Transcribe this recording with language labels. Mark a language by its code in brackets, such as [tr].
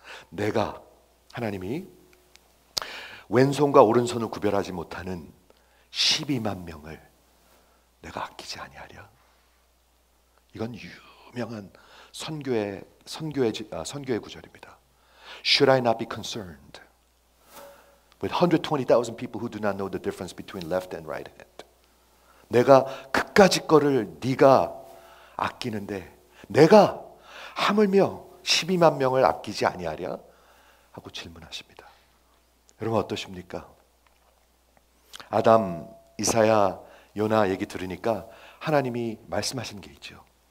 [ko] 내가, 하나님이 왼손과 오른손을 구별하지 못하는 12만 명을 내가 아끼지 아니하랴. 이건 유명한 선교의 구절입니다. [en] Should I not be concerned with 120,000 people who do not know the difference between left and right hand? [ko] 내가 그까지 거를 네가 아끼는데 내가 하물며 12만 명을 아끼지 아니하랴 하고 질문하십니다. 여러분 어떠십니까? 아담, 이사야, 요나 얘기 들으니까 하나님이 말씀하신 게 있죠.